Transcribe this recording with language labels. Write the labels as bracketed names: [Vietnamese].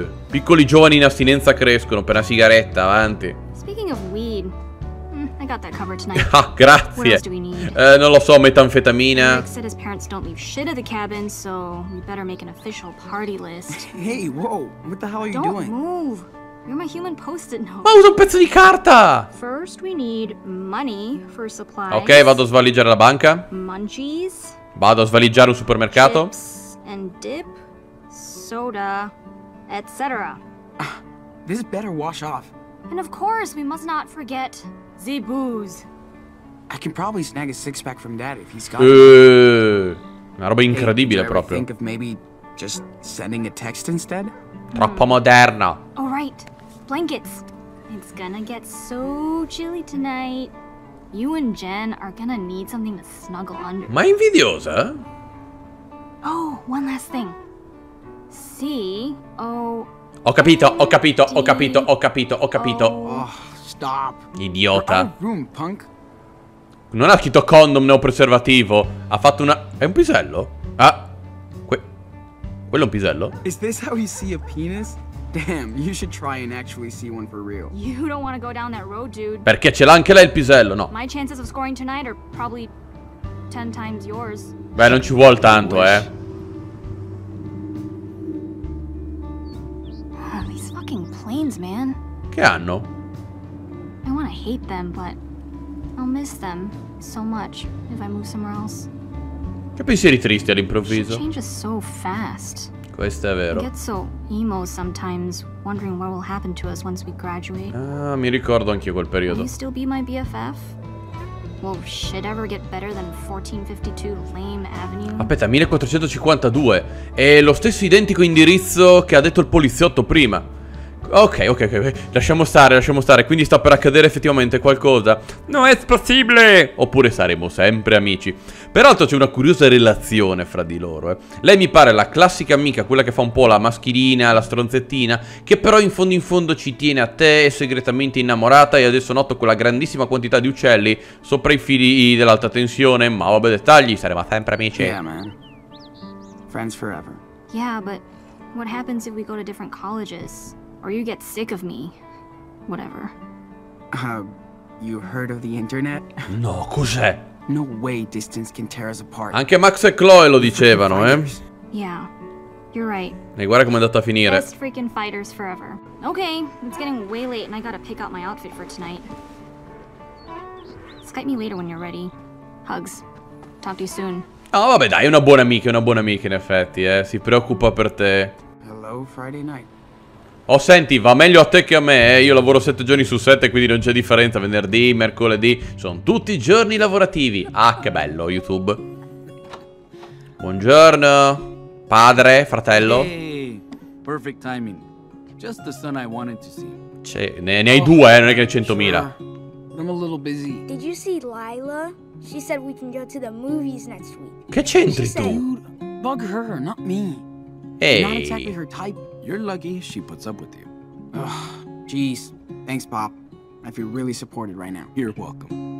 [Italian] Piccoli giovani in astinenza crescono per una sigaretta, avanti. [English] Speaking of weed, I got that covered tonight. [Italian] Ah, grazie. [English] What else do we need? [Italian] Non lo so, metanfetamina. [English] Rick said his parents don't leave shit at the cabin, so we better make an official party list. Hey, whoa, what the hell are you don't doing? Don't move. You're my human post-it note. [Italian] Ma usa un pezzo di carta! [English] First we need money for supplies. [Italian] Ok, vado a svaligiare la banca. [English] Munchies. [Italian] Vado a svaligiare un supermercato. [English] Chips and dip, soda, etc. This better wash off. And of course, we must not forget the booze. I can probably snag a six pack from dad if he's got it. [Italian] Una roba incredibile proprio. [English] Think of maybe just sending a text instead? [Italian] Troppo moderna. [English] Oh, right. Blankets. It's gonna get so chilly tonight. You and Jen are gonna need something to snuggle under. [Italian] Ma invidiosa? [English] Oh, one last thing. See? Oh. [Italian] Ho capito, ho capito, ho capito, ho capito, ho capito. [English] Oh, stop. [Italian] Idiota. [English] Room, punk. [Italian] Non ha scritto condom, né un preservativo. Ha fatto una... È un pisello? Ah. Quello è un pisello? [English] Is this how you see a penis? Damn, you should try and actually see one for real. You don't want to go down that road, dude. [Italian] Perché ce l'ha anche lei il pisello, no? [English] My chances of scoring tonight are probably 10 times yours. [Italian] Beh, non ci vuol tanto, eh. [English] These fucking planes, man. [Italian] Che hanno? [English] I want to hate them, but I'll miss them so much if I move somewhere else. [Italian] Che pensieri tristi all'improvviso. [English] So fast. [Italian] Questo è vero. [English] Get so emo sometimes, wondering what will happen to us once we graduate. [Italian] Ah, mi ricordo anch'io quel periodo. [English] Will you still be my BFF? Will shit ever get better than 1452 Lame Avenue? [Italian] Aspetta, 1452. È lo stesso identico indirizzo che ha detto il poliziotto prima. Ok. Lasciamo stare. Quindi sta per accadere effettivamente qualcosa. Non è possibile! Oppure saremo sempre amici. Peraltro c'è una curiosa relazione fra di loro, eh. Lei mi pare la classica amica, quella che fa un po' la maschilina, la stronzettina, che però in fondo ci tiene a te, è segretamente innamorata e adesso noto quella grandissima quantità di uccelli sopra i fili dell'alta tensione. Ma vabbè, dettagli, saremo sempre amici. [English] Yeah, man. Friends forever. Yeah, but what happens if we go to different colleges? Or you get sick of me. Whatever. You heard of the internet? [Italian] No, cos'è? [English] No way distance can tear us apart. [Italian] Anche Max e Chloe lo dicevano, eh? [English] Yeah, you're right. [Italian] E guarda come è andata a finire. [English] Best freaking fighters forever. Okay, it's getting way late and I gotta pick out my outfit for tonight. Skype me later when you're ready. Hugs. Talk to you soon. [Italian] Oh, vabbè, dai, una buona amica in effetti, eh. Si preoccupa per te. [English] Hello, Friday night. [Italian] Oh, senti, va meglio a te che a me, eh. Io lavoro 7 giorni su 7, quindi non c'è differenza. Venerdì, mercoledì, sono tutti giorni lavorativi. Ah, che bello, YouTube. Buongiorno. Padre, fratello. [English] Hey, perfect timing. Just the son I wanted to see. [Italian] C'è, ne hai due, non è che ne hai 100.000. [English] I'm a little busy. Did you see Lila? She said we can go to the movies next week. [Italian] Che c'entri [English] she [Italian] tu? [English] Said, bug her, not me. Hey. Not exactly her type. You're lucky she puts up with you. Ugh, jeez. Thanks, Pop. I feel really supported right now. You're welcome.